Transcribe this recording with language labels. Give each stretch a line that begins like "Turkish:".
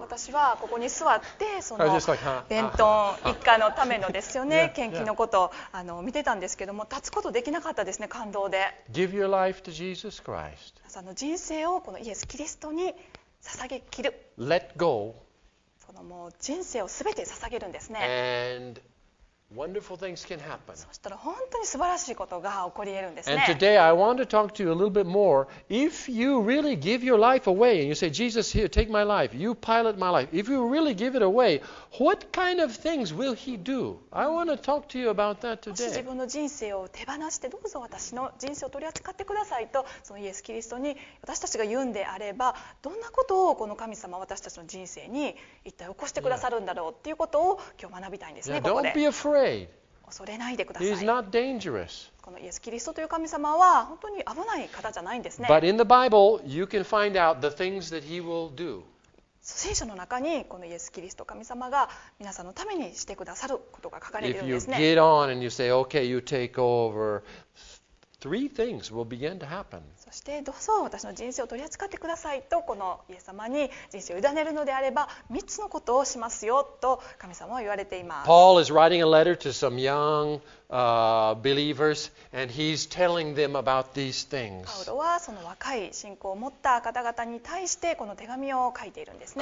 Japanese: 私はここに座ってそのベントン一家のためのですよね、献金のことをあの見てたんですけども、立つことできなかったですね、感動で。
English: Give your life to Jesus Christ.
Japanese: 皆さんの人生をこのイエス・キリストに捧げ切る。
English: Let go.
Japanese: そのもう人生をすべて捧げるんですね。
English: And wonderful things can happen.
Japanese: そしたら本当に素晴らしいことが起こり得るんですね。
English: And today I want to talk to you a little bit more. If you really give your life away and you say, Jesus, here, take my life. You pilot my life. If you really give it away, what kind of things will He do? I want to talk to you about that today.
Japanese: もし自分の人生を手放してどうぞ私の人生を取り扱ってくださいとそのイエス・キリストに私たちが言うんであれば、どんなことをこの神様は私たちの人生に一体起こしてくださるんだろうっていうことを今日学びたいんですね、ここで。恐れないでください。
English: He's not dangerous.
Japanese: このイエス・キリストという神様は本当に危ない方じゃないんですね。
English: But in the Bible, you can find out the things that He will do.
Japanese: 聖書の中にこのイエス・キリスト神様が皆さんのためにしてくださることが書かれているんですね。
English: If you get on and you say, okay, you take over, three things will begin to happen.
Japanese: そしてどうぞ私の人生を取り扱ってくださいとこのイエス様に人生を委ねるのであれば3つのことをしますよと神様は言われています。
English: Paul is writing a letter to some young believers and he's telling them about these things.
Japanese: パウロはその若い信仰を持った方々に対してこの手紙を書いているんですね。